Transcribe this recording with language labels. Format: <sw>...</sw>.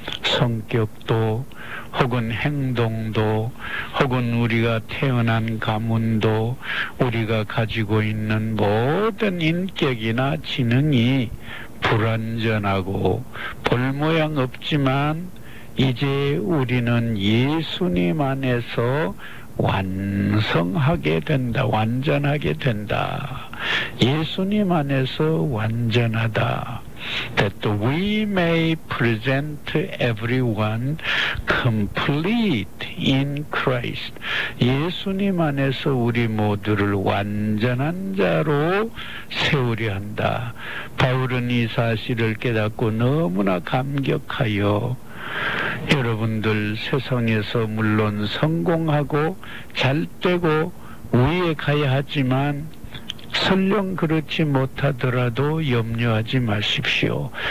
<ko>성격도, 혹은 행동도, 혹은 우리가 태어난 가문도, 우리가 가지고 있는 모든 인격이나 지능이 불완전하고 볼모양 없지만 이제 우리는 예수님 안에서 완성하게 된다, 완전하게 된다. 예수님 안에서 완전하다.</ko> <en>That we may present everyone complete in Christ.</en> <ko>예수님 안에서 우리 모두를 완전한 자로 세우려 한다. 바울은 이 사실을 깨닫고 너무나 감격하여 여러분들 세상에서 물론 성공하고 잘되고 위에 가야 하지만 설령 그렇지 못하더라도 염려하지 마십시오.</ko>